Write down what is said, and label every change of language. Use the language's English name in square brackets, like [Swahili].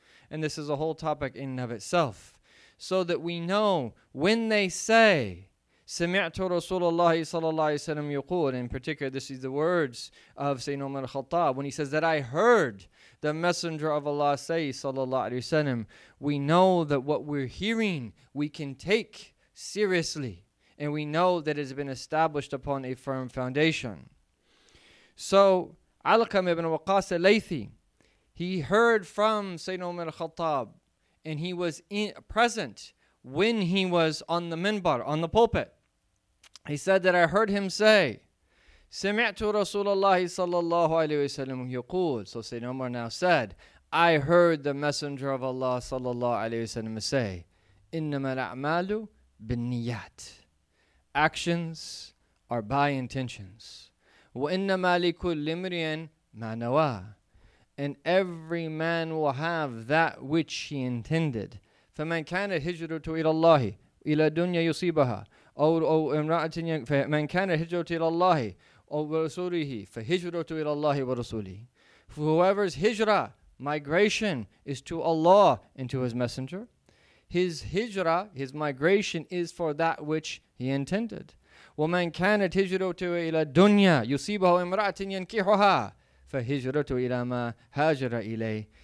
[English] And this is a whole topic in and of itself. So that we know when they say, [Arabic] سمعت رسول الله صلى الله عليه وسلم يقول, [English] in particular, this is the words of Sayyidina Umar al-Khattab, when he says that I heard the Messenger of Allah say, [Arabic] صلى الله عليه وسلم, [English] we know that what we're hearing, we can take seriously, and we know that it has been established upon a firm foundation. So, Alqam ibn Waqas al-Laythi, he heard from Sayyidina Umar al-Khattab, and he was present when he was on the minbar, on the pulpit. He said that I heard him say, [Arabic] سَمِعْتُ رَسُولَ اللَّهِ صَلَّى اللَّهُ عَلَيْهِ وَسَلَّمُ يَقُولُ. [English] So Sayyidina Umar now said, I heard the Messenger of Allah [Arabic] صلى الله عليه وسلم [English] say. [Arabic] إنما الأعمال بالنيات. [English] Actions are by intentions. [Arabic] وإنما لكل امرئ ما نوى. [English] And every man will have that which he intended. [Arabic] فمن كان هجرته إلى الله إلى دنيا يصيبها أو امرأة فمن كان هجرته إلى الله أو رسوله فهجرته إلى الله ورسوله. [English] For whoever's hijrah, migration, is to Allah and to His Messenger, his hijrah, his migration, is for that which he intended. [Arabic] وَمَنْ كَانَتْ هِجْرَتُهُ إِلَى الدُّنْيَا يُصِيبَهُ إِمْرَأَةٍ يَنْكِحُهَا فَهِجْرَتُهُ إِلَى مَا هَاجَرَ إِلَيْهِ.